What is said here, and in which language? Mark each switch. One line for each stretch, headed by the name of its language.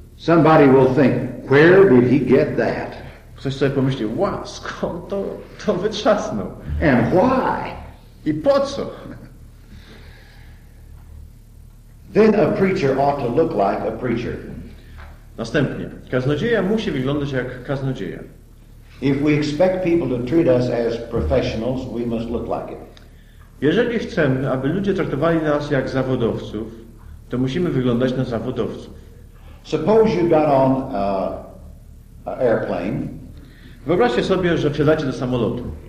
English: Somebody will think, where did he get that?
Polish: Ktoś sobie pomyśli, wow, skąd to wytrzasnął?
English: And why?
Polish: I po co?
English: Then a preacher ought to look like a preacher.
Polish: Następnie, kaznodzieja musi wyglądać jak kaznodzieja.
English: If we expect people to treat us as professionals, we must look like it.
Polish: Jeżeli chcemy, aby ludzie traktowali nas jak zawodowców, to musimy wyglądać na zawodowców.
English: Suppose you got on an airplane.
Polish: Wyobraźcie sobie, że wsiadacie do samolotu.